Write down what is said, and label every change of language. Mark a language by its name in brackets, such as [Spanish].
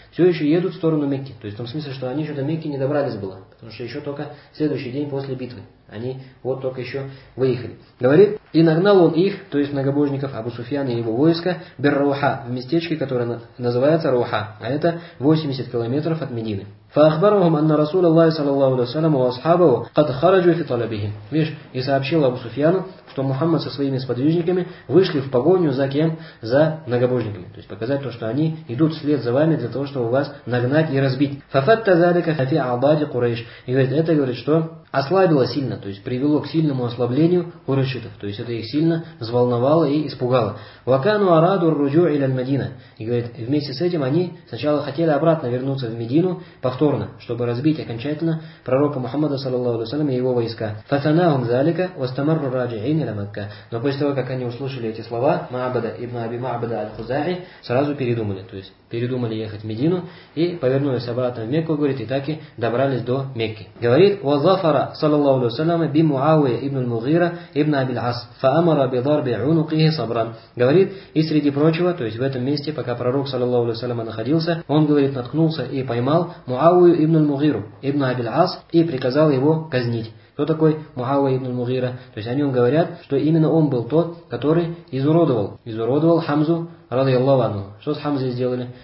[Russian] Все еще едут в сторону Мекки. То есть в том смысле, что они еще до Мекки не добрались было, потому что еще только следующий день после битвы. Они вот только еще выехали. Говорит, и нагнал он их, то есть многобожников Абу Суфьяна и его войска, бир-руха, в местечке, которое называется Руха, а это 80 километров от Медины. [Arabic] فأخبرهم أن رسول الله صلى الله عليه وسلم وأصحابه قد خرجوا في طلبهم. [Russian] Видишь, и сообщил Абу Суфьяну, что Мухаммад со своими сподвижниками вышли в погоню за кем? За многобожниками. То есть показать то, что они идут вслед за вами для того, чтобы вас нагнать и разбить. [Arabic] ففتى ذلك في أعضاء قريش. [Russian] И говорит, это говорит, что ослабило сильно, то есть привело к сильному ослаблению курайшитов. То есть это их сильно взволновало и испугало. [Arabic] وكانوا أرادوا الرجوع إلى المدينة. [Russian] И говорит, вместе с этим они сначала хотели обратно вернуться в Медину повторно, чтобы разбить окончательно пророка Мухаммада, саллаллаху алейхи ва саллям, и его войска. [Arabic] فثناهم ذلك واستمروا راجعين إلى مكة. [Russian] Но после того, как они услышали эти слова Маабада ибн Аби Маабада аль-Хузаи, сразу передумали. То есть передумали ехать в Медину и повернулись обратно в Мекку, говорит, и так и добрались до Мекки. Говорит, [Arabic] وظفر صلى الله عليه وسلم بمعاوية ابن المغيرة ابن أبي العاص فأمر بضرب عنقه صبرا. [Russian] Говорит, и среди прочего, то есть в этом месте, пока пророк, саллаллаху алейхи ва саллям, находился, он, говорит, наткнулся и поймал Муавию ибн аль-Мугиру ибн Аби аль-Ас и приказал его казнить. Кто такой Муавия ибн аль-Мугира? То есть о нем говорят, что именно он был тот, который изуродовал Хамзу радиаллаху анху. Что с Хамзой сделали?